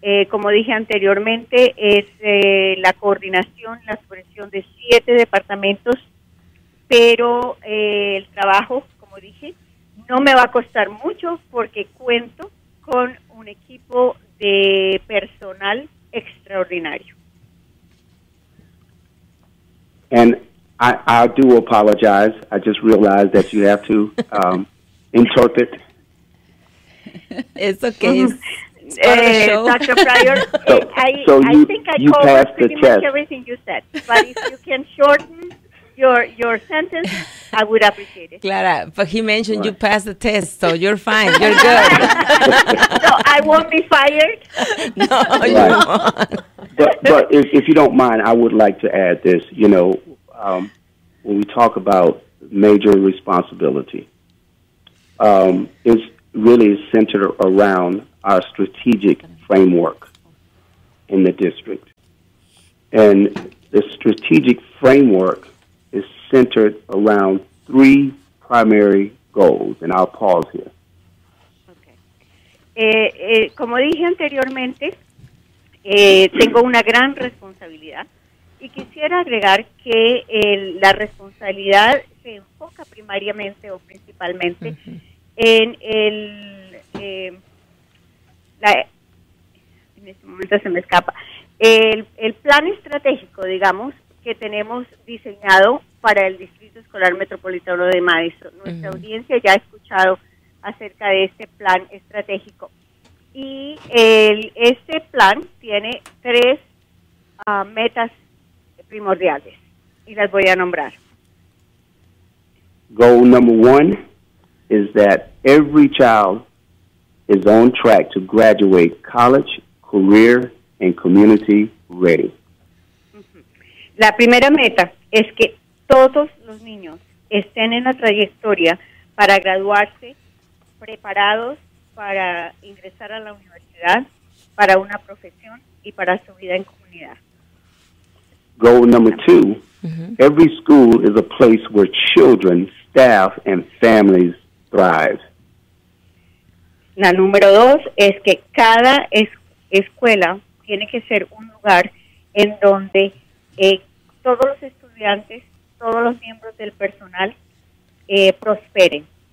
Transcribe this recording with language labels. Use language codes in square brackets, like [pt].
[es] Como dije anteriormente, es la coordinación, la supervisión de 7 departamentos. Pero el trabajo, como dije, no me va a costar mucho, porque cuento con un equipo de personal extraordinario. [en] And I do apologize. I just realized that you have to interpret. It's okay. Mm-hmm. Dr. Pryor, I think I passed the test. Much everything you said, but if you can shorten your sentence, I would appreciate it. Clara, but he mentioned you passed the test, so you're fine. You're good. So I won't be fired. No, right. You won't. But if you don't mind, I would like to add this. You know, when we talk about major responsibility, it's really centered around our strategic framework in the district. And the strategic framework is centered around three primary goals, and I'll pause here. Okay. [es] Como dije anteriormente, tengo una gran responsabilidad y quisiera agregar que la responsabilidad se enfoca primariamente o principalmente en el... en este momento se me escapa. El plan estratégico, digamos, que tenemos diseñado para el Distrito Escolar Metropolitano de Madison. Nuestra uh-huh. audiencia ya ha escuchado acerca de este plan estratégico. Y este plan tiene tres metas primordiales. Y las voy a nombrar. [en] Goal number one is that every child is on track to graduate college, career, and community ready. [es] La primera meta es que todos los niños estén en la trayectoria para graduarse preparados para ingresar a la universidad, para una profesión y para su vida en comunidad. [en] Goal number two, mm-hmm. every school is a place where children, staff, and families thrive. [es] La número dos es que cada escuela tiene que ser un lugar en donde todos los estudiantes, todos los miembros del personal prosperen.